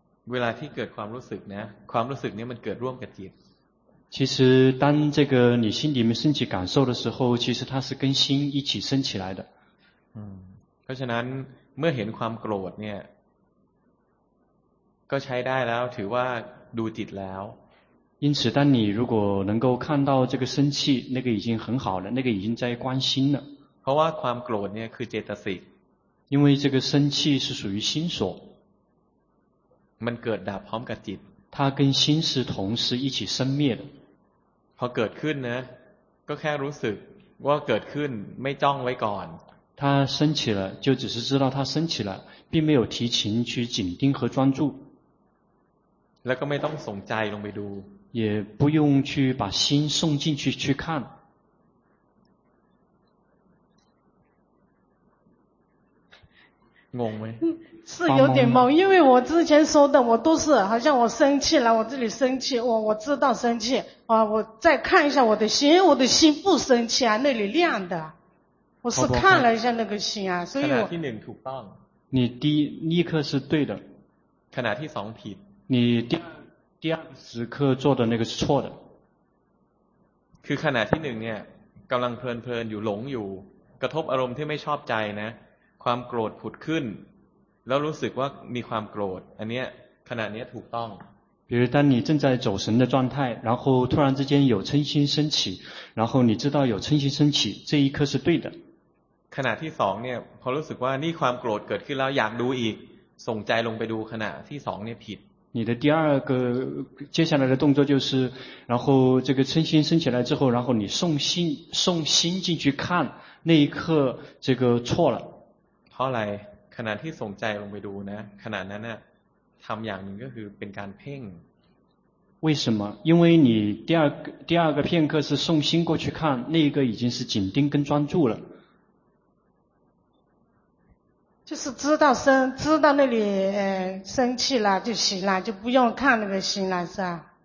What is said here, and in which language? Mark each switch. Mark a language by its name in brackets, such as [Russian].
[Thai] เวลาที่เกิดความรู้สึกนะความรู้สึกนี้มันเกิดร่วมกับจิต [Chinese] 其实当这个你心里面升起感受的时候其实它是跟心一起升起来的 [Thai] เพราะฉะนั้นเมื่อเห็นความโกรธเนี่ยก็ใช้ได้แล้วถือว่าดูจิตแล้ว [Chinese] 因此当你如果能够看到这个生气那个已经很好了那个已经在观心了 [Thai] เพราะว่าความโกรธเนี่ยคือเจตสิก [Chinese] 因为这个生气是属于心所 [Thai] มันเกิดดับพร้อมกับจิต [Chinese] 它跟心是同时一起生灭的 [Thai] พอเกิดขึ้นนะก็แค่รู้สึกว่าเกิดขึ้นไม่จ้องไว้ก่อน [Chinese] 它升起了就只是知道它升起了并没有提前去紧盯和专注 [Thai] แล้วก็ไม่ต้องส่งใจลงไปดู [Chinese] 也不用去把心送进去去看。懵没？是有点懵，因为我之前说的我都是好像我生气了，我这里生气，我知道生气啊，我再看一下我的心，我的心不生气啊，那里亮的，我是看了一下那个心啊，所以我。 [Thai] ขณะที่หนึ่งถูกต้อง。 [Chinese] 你第一刻是对的。 [Thai] ขณะที่สองผิด。 [Chinese] 你第二时刻做的那个是错的。 [Thai] คือขณะที่หนึ่งเนี่ยกำลังเพลินๆอยู่หลงอยู่กระทบอารมณ์ที่ไม่ชอบใจนะความโกรธผุดขึ้นแล้วรู้สึกว่ามีความโกรธอันเนี้ยขณะเนี้ยถูกต้อง [Chinese] 比如当你正在走神的状态然后突然之间有嗔心升起然后你知道有嗔心升起这一刻是对的 [Thai] ขณะที่สองเนี่ยพอรู้สึกว่านี่ความโกรธเกิดขึ้นแล้วอยากดูอีกส่งใจลงไปดูขณะที่สองเนี่ยผิด [Chinese] 你的第二个接下来的动作就是然后这个嗔心升起来之后然后你送心进去看那一刻这个错了 [Thai] เพราะอะไรขณะที่ส่งใจลงไปดูนะขณะนั้นน่ะทำอย่างหนึ่งก็คือเป็นการเพ่ง [Chinese] 为什么因为你第二个片刻是送心过去看那个已经是紧盯跟专注了就是知道那里生气了就行了就不用看那个心了是吧